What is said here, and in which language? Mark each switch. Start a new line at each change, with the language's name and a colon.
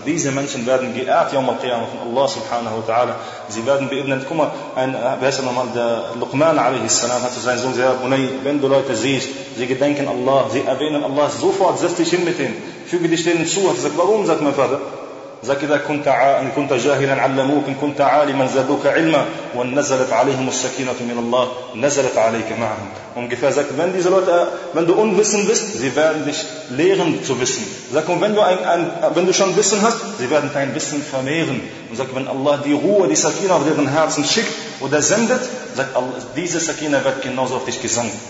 German: Diese Menschen werden geehrt, Yawm al-Qiyamah, von Allah subhanahu wa ta'ala. Sie werden beibnet, guck mal, ein, wie heißt er nochmal, der Luqman alayhi salam hat zu seinem Sohn gesagt, Bunay, wenn du Leute siehst, sie gedenken Allah, sie erwähnen Allah, sofort setz dich hin mit ihnen, füge dich denen zu, hat gesagt, warum, sagt mein Vater?
Arabic: Sag, إذا كنت إن كنت جاهلا علموك إن كنت عالما زادوك علما ونزلت عليهم السكينة من الله نزلت عليك معهم.
German: Ungefähr sagt, wenn diese Leute, wenn du unwissend bist, sie werden dich lehren zu wissen. Sag, und wenn du wenn du schon Wissen hast, sie werden dein Wissen vermehren. Und sag, wenn Allah die Ruhe, die Sakina auf deren Herzen schickt oder sendet, sagt Allah, diese Sakina wird genauso auf dich gesandt.